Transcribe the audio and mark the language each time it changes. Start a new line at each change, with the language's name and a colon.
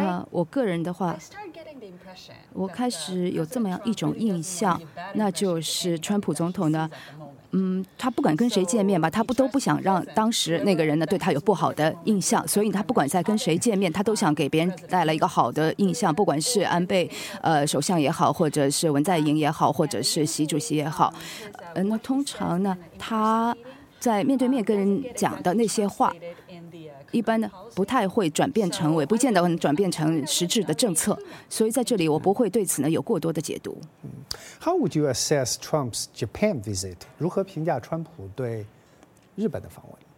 Chinese: 我个人的话，我开始有这么样一种印象，那就是川普总统呢，他不管跟谁见面吧，他都不想让当时那个人呢对他有不好的印象，所以他不管在跟谁见面，他都想给别人带来一个好的印象，不管是安倍首相也好，或者是文在寅也好，或者是习主席也好。那通常呢，他在面对面跟人讲的那些话，一般呢不太会转变成为，不见得能转变成实质的政策，所以在这里我不会对此呢有过多的解读。
English: How would you assess Trump's Japan visit?
Chinese: 如何评价川普对日本的访问？